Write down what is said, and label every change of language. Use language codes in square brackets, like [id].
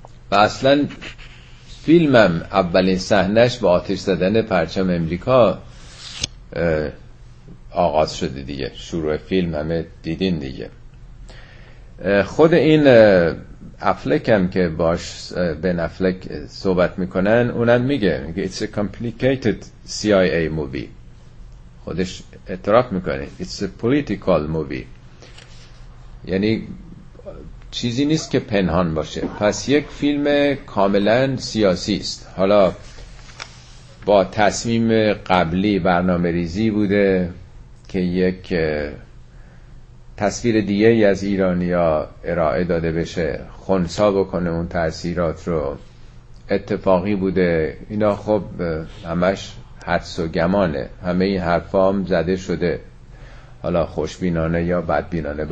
[fa] و اصلا فیلمم اولین صحنه‌اش با آتش زدن پرچم امریکا آغاز شده دیگه، شروع فیلم همه دیدین دیگه. خود این افلک هم که باش بن افلک صحبت میکنن، اونم میگه [en] It's a complicated CIA movie. [fa] خودش اعتراف میکنه [en] It's a political movie. [fa] یعنی چیزی نیست که پنهان باشه. پس یک فیلم کاملا سیاسی است. حالا با تصمیم قبلی برنامه ریزی بوده که یک تصویر دیگه ای از ایرانیا ارائه داده بشه، خونسا بکنه اون تأثیرات رو، اتفاقی بوده؟ اینا خب همش حدس و گمانه، همه این حرف هم زده شده، حالا خوشبینانه یا بدبینانه.